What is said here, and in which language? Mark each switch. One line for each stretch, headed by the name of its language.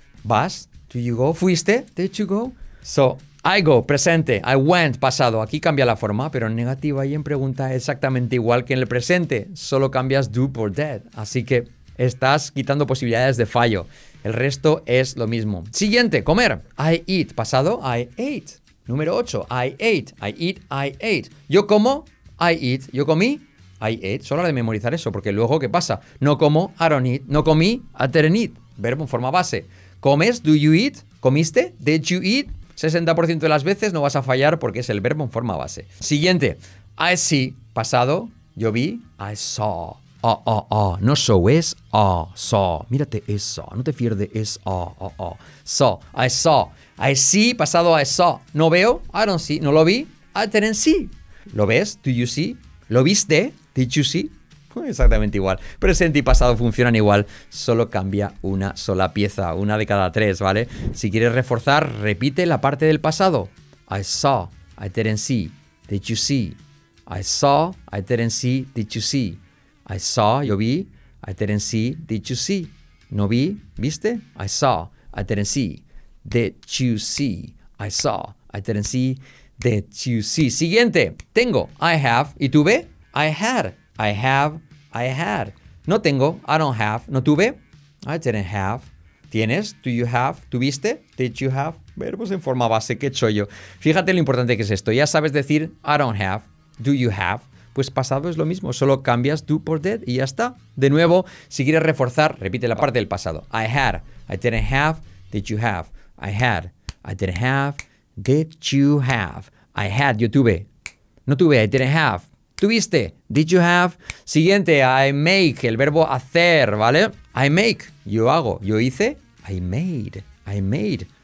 Spanish: Vas,
English: do you go,
Spanish: fuiste,
English: did you go. So, I go,
Spanish: presente,
English: I went,
Spanish: pasado. Aquí cambia la forma, pero en negativa y en pregunta exactamente igual que en el presente. Solo cambias do por did. Así que estás quitando posibilidades de fallo. El resto es lo mismo. Siguiente, comer.
English: I eat,
Spanish: pasado,
English: I ate.
Spanish: Número 8,
English: I ate, I eat, I ate.
Spanish: Yo como,
English: I eat,
Spanish: yo comí,
English: I ate.
Spanish: Solo hora de memorizar eso, porque luego, ¿qué pasa? No como,
English: I don't eat,
Spanish: no comí,
English: I didn't eat.
Spanish: Verbo en forma base. ¿Comes?
English: Do you eat?
Spanish: ¿Comiste?
English: Did you eat?
Spanish: 60% de las veces no vas a fallar porque es el verbo en forma base. Siguiente,
English: I see,
Spanish: pasado, yo vi,
English: I saw.
Spanish: No show, es saw. Mírate, es saw, no te pierdes, es saw,
English: I saw. I see,
Spanish: pasado,
English: I saw.
Spanish: No veo,
English: I don't see.
Spanish: No lo vi,
English: I didn't see.
Spanish: ¿Lo ves?
English: Do you see?
Spanish: ¿Lo viste?
English: Did you see?
Spanish: Exactamente igual. Presente y pasado funcionan igual, solo cambia una sola pieza, una de cada tres, ¿vale? Si quieres reforzar, repite la parte del pasado.
English: I saw, I didn't see. Did you see? I saw, I didn't see. Did you see? I saw,
Spanish: yo vi,
English: I didn't see, did you see?
Spanish: No vi, viste?
English: I saw, I didn't see, did you see? I saw, I didn't see, did you see?
Spanish: Siguiente, tengo,
English: I have,
Spanish: y tuve,
English: I had, I have, I had.
Spanish: No tengo,
English: I don't have,
Spanish: no tuve,
English: I didn't have.
Spanish: ¿Tienes?
English: Do you have?
Spanish: ¿Tuviste?
English: Did you have?
Spanish: Verbos en forma base, qué chollo. Fíjate lo importante que es esto, ya sabes decir,
English: I don't have, do you have.
Spanish: Pues pasado es lo mismo, solo cambias do por did y ya está. De nuevo, si quieres reforzar, repite la parte del pasado.
English: I had, I didn't have, did you have? I had, I didn't have, did you have? I had,
Spanish: yo tuve, no tuve,
English: I didn't have.
Spanish: ¿Tuviste?
English: Did you have?
Spanish: Siguiente,
English: I make,
Spanish: el verbo hacer, ¿vale? I make, yo hago, yo hice,
English: I made, I made.